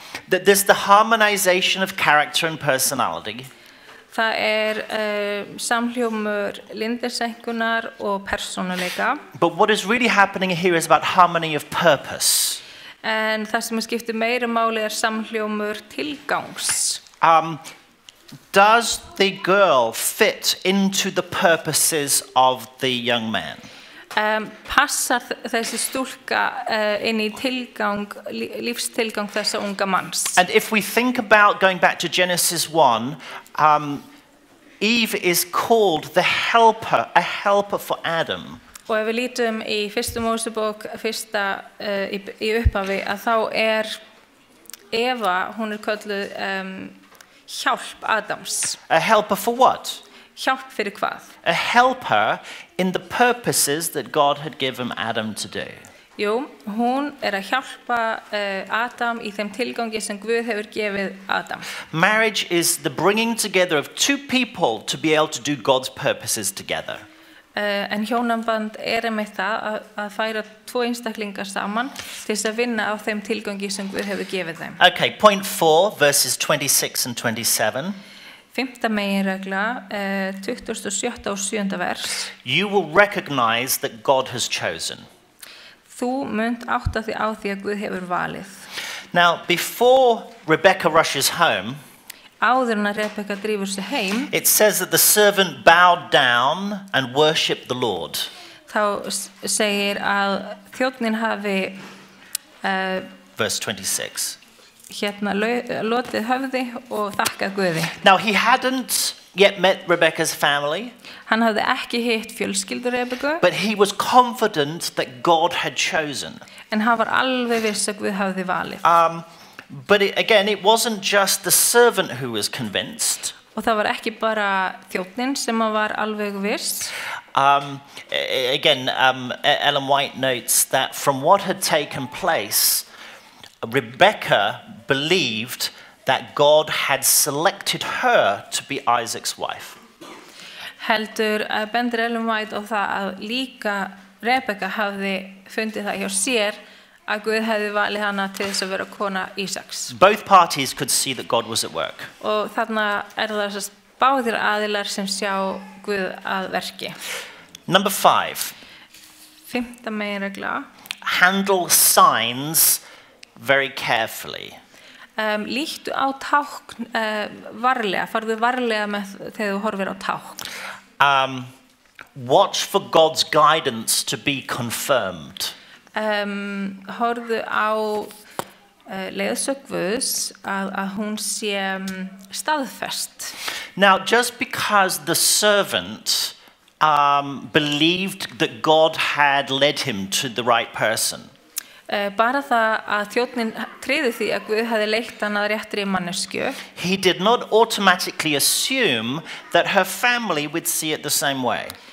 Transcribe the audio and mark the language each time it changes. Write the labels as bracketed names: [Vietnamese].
[English] There's the harmonization of character and personality. [Icelandic] Það er samhljómur lindarsengunar og persónuleika. [English] But what is really happening here is about harmony of purpose. [Icelandic] En það sem skiptir meira máli er samhljómur tilgangs. [English] Does the girl fit into the purposes of the young man? [Icelandic] Passar þessi stúlka inn í tilgang, lífstilgang þessa unga manns? [English] And if we think about going back to Genesis 1, Eve is called the helper, a helper for Adam. [Icelandic] Og ef við lítum í fyrstu Mósebók, fyrsta í upphafi, að þá er Eva, hún er kölluð hjálp Adams. [English] A helper for what? [Icelandic] Hjálp fyrir hvað? [English] A helper in the purposes that God had given Adam to do. [Icelandic] Jú, hún er að hjálpa Adam í þeim tilgangi sem Guð hefur gefið Adam. [English] Marriage is the bringing together of two people to be able to do God's purposes together. [Icelandic] En hjónaband er einmitt það að færa tvo einstaklinga saman til þess að vinna á þeim tilgangi sem Guð hefur gefið þeim. [English] Okay, point 4, verses 26 and 27. [Icelandic] Fimmta meginregla, 26. og 7. vers. [English] You will recognize that God has chosen. [Icelandic] Þú munt átta þig á því að Guð hefur valið. [English] Now, before Rebecca rushes home, [Icelandic] áður en að Rebecca drífur sig heim, [English] it says that the servant bowed down and worshipped the Lord. [Icelandic] Þá segir að þjónninn hafi [English] verse 26. [Icelandic] Hérna lotið höfði og þakkað Guði. [English] Now, he hadn't yet met Rebecca's family. [Icelandic] Hann hafði ekki hitt fjölskyldu Rebekku. [English] But he was confident that God had chosen. [Icelandic] En hann var alveg viss að Guð hafði valið. [English] But it wasn't just the servant who was convinced. [Icelandic] Og það var ekki bara þjónninn sem var alveg viss. [English] Ellen White notes that from what had taken place, Rebecca believed that God had selected her to be Isaac's wife. [Icelandic] Heldur bendir Ellen White á það að líka Rebecca hafði fundið það hjá sér að Guð hefði valið hana til þess að vera kona Ísaks. [English] Both parties could see that God was at work. [Icelandic] Og þarna er það þess að báðir aðilar sem sjá Guð að verki. [English] Number 5. [Icelandic] Fimmta meginregla. [English] Handle signs very carefully. [Icelandic] Líttu á tákn varlega, farðu varlega með þegar þú horfir á tákn. [English] Watch for God's guidance to be confirmed. [Icelandic] Horfðu á leiðsögn Guðs að hún sé staðfest. [English] Now, just because the servant believed that God had led him to the right person. [Icelandic] Bara það að þjónninn tryði því að Guð hafði leitt hann að réttri manneskju. [English] He did not automatically assume that her family would see it the same way.